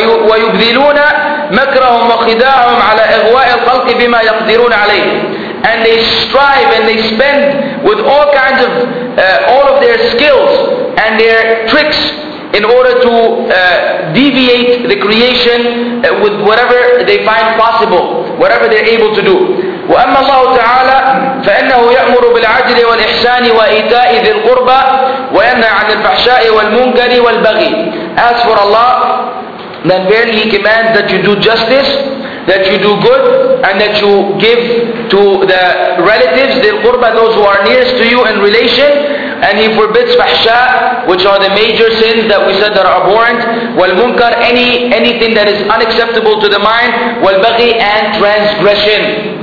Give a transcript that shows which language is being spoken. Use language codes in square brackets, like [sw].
[ar] ويبذلون مكرهم وخداعهم على إغواء الخلق بما يقدرون عليه. [en] And they strive and they spend with all kinds of all of their skills and their tricks in order to deviate the creation with whatever they find possible, whatever they're able to do. [ar] وأما الله تعالى فإنه يأمر بالعدل والإحسان وإيتاء ذي القربى وينهى عن الفحشاء والمنكر والبغي. [en] As for Allah, then verily He commands that you do justice, that you do good, and that you give to the relatives, the qurba, those who are nearest to you in relation, and He forbids fahsha, which are the major sins that we said that are abhorrent, wal munkar, anything that is unacceptable to the mind, wal baghi, and transgression.